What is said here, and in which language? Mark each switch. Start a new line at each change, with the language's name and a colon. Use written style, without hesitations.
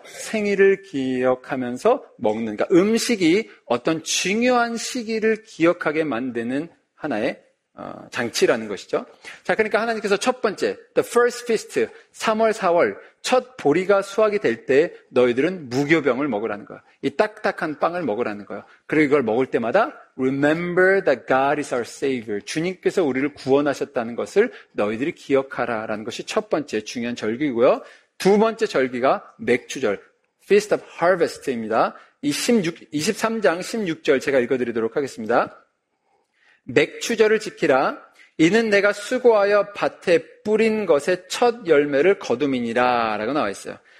Korean: 생일을 기억하면서 먹는. 그러니까 음식이 어떤 중요한 시기를 기억하게 만드는 하나의 장치라는 것이죠. 자, 그러니까 하나님께서 첫 번째,
English: the first feast,
Korean: 3월, 4월, 첫 보리가 수확이 될 때 너희들은 무교병을 먹으라는 거예요. 이 딱딱한 빵을 먹으라는 거예요. 그리고 이걸 먹을 때마다
English: remember that God is our Savior.
Korean: 주님께서 우리를 구원하셨다는 것을 너희들이 기억하라라는 것이 첫 번째 중요한 절기고요. 두 번째 절기가 맥주절,
English: Feast of Harvest
Korean: 입니다. 23장 16절 제가 읽어드리도록 하겠습니다. 맥추절을 지키라. 이는 내가 수고하여 밭에 뿌린 것의 첫 열매를 거둠이니라 라고 나와 있어요.